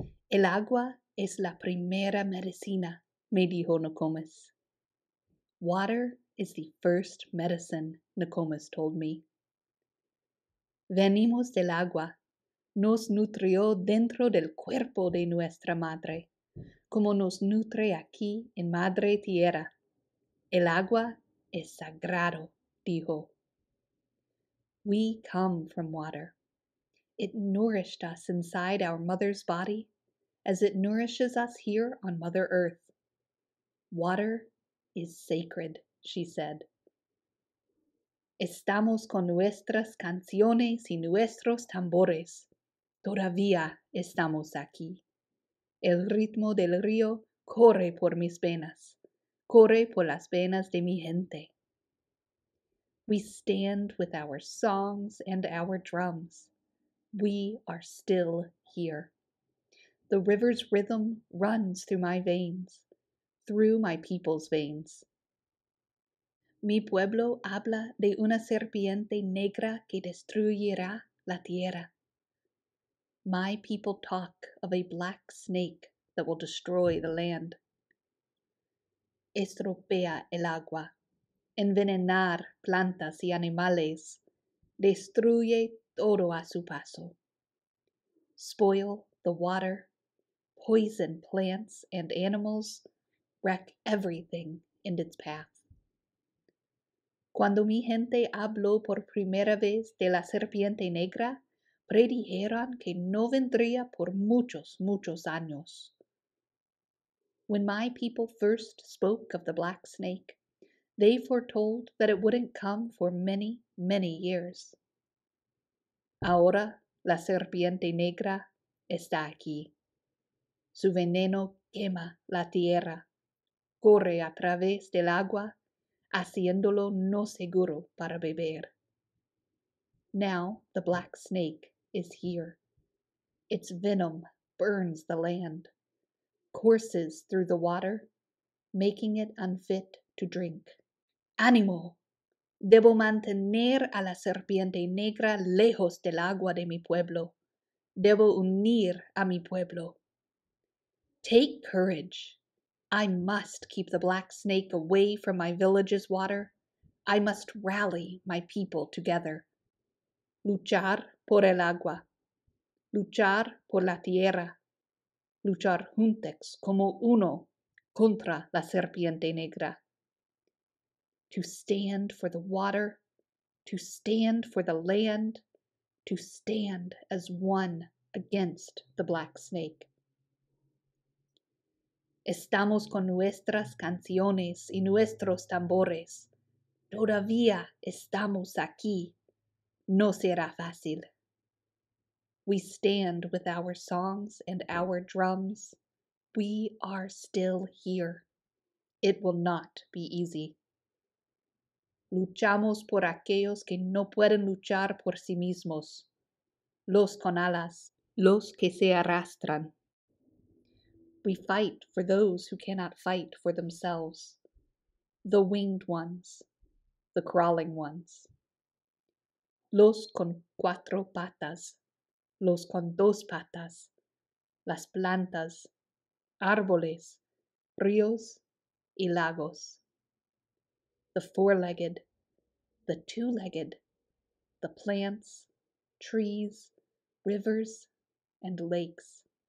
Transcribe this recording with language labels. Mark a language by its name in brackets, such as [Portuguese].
[Spanish] El agua es la primera medicina, me dijo Nokomis. [English] Water is the first medicine, Nokomis told me. [Spanish] Venimos del agua. Nos nutrió dentro del cuerpo de nuestra madre. Como nos nutre aquí en Madre Tierra. El agua es sagrado, dijo. [English] We come from water. It nourished us inside our mother's body, as it nourishes us here on Mother Earth. Water is sacred, she said. [Spanish] Estamos con nuestras canciones y nuestros tambores. Todavía estamos aquí. El ritmo del río corre por mis venas, corre por las venas de mi gente. [English] We stand with our songs and our drums. We are still here. The river's rhythm runs through my veins, through my people's veins. [Spanish] Mi pueblo habla de una serpiente negra que destruirá la tierra. [English] My people talk of a black snake that will destroy the land. [Spanish] Estropea el agua. Envenenar plantas y animales. Destruye todo a su paso. [English] Spoil the water. Poison plants and animals. Wreck everything in its path. [Spanish] Cuando mi gente habló por primera vez de la serpiente negra, predijeron que no vendría por muchos, muchos años. [English] When my people first spoke of the black snake, they foretold that it wouldn't come for many, many years. [Spanish] Ahora la serpiente negra está aquí. Su veneno quema la tierra, corre a través del agua, haciéndolo no seguro para beber. [English] Now the black snake is here. Its venom burns the land, courses through the water, making it unfit to drink. [Spanish] Ánimo! Debo mantener a la serpiente negra lejos del agua de mi pueblo. Debo unir a mi pueblo. [English] Take courage. I must keep the black snake away from my village's water. I must rally my people together. [Spanish] Luchar por el agua. Luchar por la tierra. Luchar juntos como uno contra la serpiente negra. [English] To stand for the water, to stand for the land, to stand as one against the black snake. [Spanish] Estamos con nuestras canciones y nuestros tambores. Todavía estamos aquí. No será fácil. [English] We stand with our songs and our drums. We are still here. It will not be easy. [Spanish] luchamos por aquellos que no pueden luchar por sí mismos, los con alas, los que se arrastran. [English] We fight for those who cannot fight for themselves, the winged ones, the crawling ones. [Spanish] Los con cuatro patas, los con dos patas, las plantas, árboles, ríos y lagos. [English] The four-legged, the two-legged, the plants, trees, rivers, and lakes.